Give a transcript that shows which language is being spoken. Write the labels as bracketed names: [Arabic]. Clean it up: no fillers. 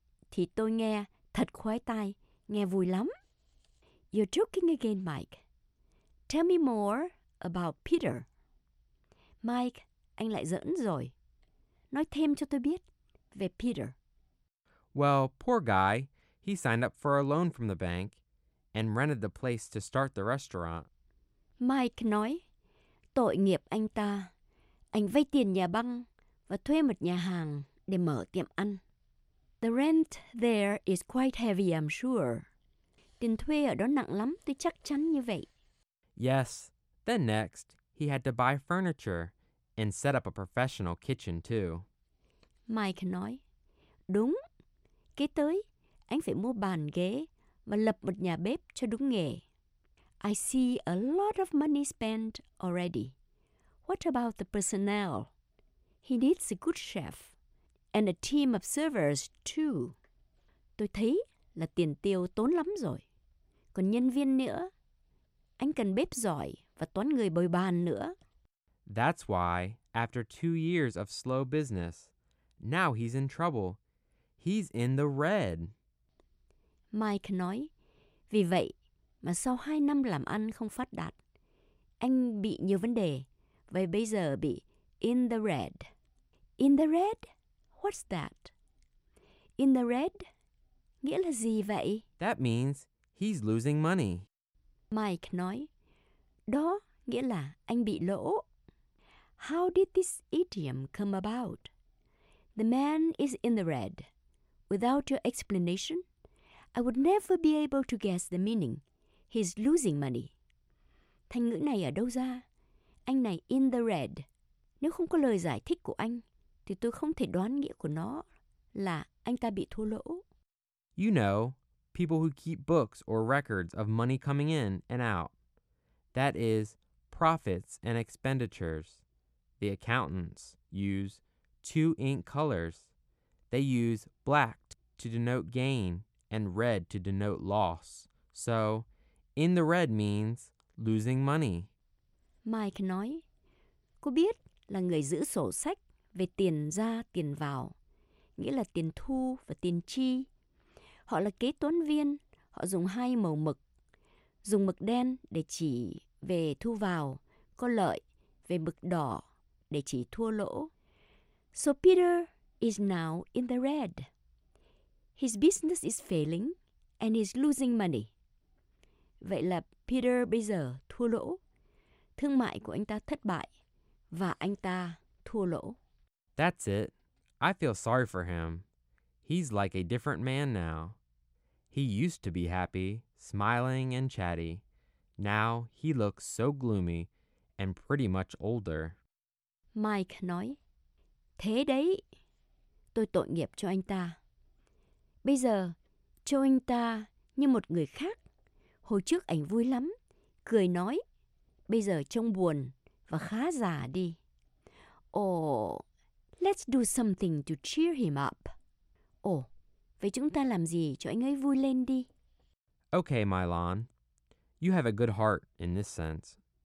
[Vietnamese] Thì tôi nghe thật khoái tai, nghe vui lắm. [English] You're joking again, Mike. Tell me more about Peter. [Vietnamese] Mike, anh lại giỡn rồi. Nói thêm cho tôi biết về Peter. [English] Well, poor guy. He signed up for a loan from the bank and rented the place to start the restaurant. [Vietnamese] Mike nói, tội nghiệp anh ta. Anh vay tiền nhà băng và thuê một nhà hàng để mở tiệm ăn. [English] The rent there is quite heavy, I'm sure. [Vietnamese] Tiền thuê ở đó nặng lắm, tôi chắc chắn như vậy. [English] Yes. Then next, he had to buy furniture and set up a professional kitchen too. [Vietnamese] Mike nói, đúng. Kế tới, anh phải mua bàn ghế và lập một nhà bếp cho đúng nghề. [English] I see a lot of money spent already. What about the personnel? He needs a good chef and a team of servers too. [Vietnamese] Tôi thấy là tiền tiêu tốn lắm rồi. Còn nhân viên nữa. Anh cần bếp giỏi và toán người bồi bàn nữa. [English] That's why, after 2 years of slow business, now he's in trouble. He's in the red. [Vietnamese] Mike nói, vì vậy mà sau 2 năm làm ăn không phát đạt, anh bị nhiều vấn đề, vậy bây giờ bị [English] in the red. In the red? What's that? In the red? [Vietnamese] Nghĩa là gì vậy? [English] That means he's losing money. [Vietnamese] Mike nói, đó nghĩa là anh bị lỗ. [English] How did this idiom come about? The man is in the red. Without your explanation, I would never be able to guess the meaning. He's losing money. [Vietnamese] Thành ngữ này ở đâu ra? Anh này [English] in the red. [Vietnamese] Nếu không có lời giải thích của anh, thì tôi không thể đoán nghĩa của nó là anh ta bị thua lỗ. [English] You know, people who keep books or records of money coming in and out. That is, profits and expenditures. The accountants use two ink colors. They use black to denote gain and red to denote loss. So, in the red means losing money. [Vietnamese] Mike nói, cô biết là người giữ sổ sách về tiền ra tiền vào, nghĩa là tiền thu và tiền chi. Họ là kế toán viên, họ dùng hai màu mực. Dùng mực đen để chỉ về thu vào, có lợi, về mực đỏ để chỉ thua lỗ. [English] So Peter is now in the red. His business is failing and he's losing money. [Vietnamese] Vậy là Peter bây giờ thua lỗ. Thương mại của anh ta thất bại và anh ta thua lỗ. [English] That's it. I feel sorry for him. He's like a different man now. He used to be happy, smiling and chatty. Now he looks so gloomy and pretty much older. [Vietnamese] Mike nói, thế đấy, tôi tội nghiệp cho anh ta. Bây giờ, cho anh ta như một người khác. Hồi trước anh vui lắm, cười nói. Bây giờ trông buồn và khá già đi. [English] Oh, let's do something to cheer him up. [Vietnamese] Oh, vậy chúng ta làm gì cho anh ấy vui lên đi? [English] Okay, Mylon. You have a good heart in this sense.